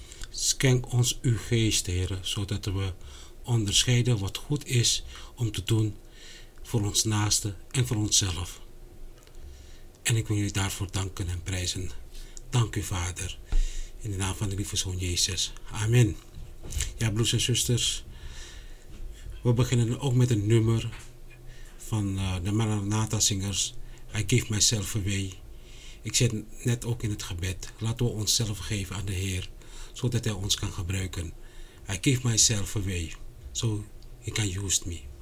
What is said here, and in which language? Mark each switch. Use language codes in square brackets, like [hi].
[nl] Schenk ons uw geest, Heere, zodat we onderscheiden wat goed is om te doen voor ons naaste en voor onszelf. En ik wil u daarvoor danken en prijzen. Dank u, Vader, in de naam van de lieve Zoon Jezus. Amen. Ja, broers en zusters, we beginnen ook met een nummer van de Maranatha zingers, [en] I give myself away. [nl] Ik zit net ook in het gebed, laten we onszelf geven aan de Heer, zodat Hij ons kan gebruiken. [en] I give myself away, so He can use me.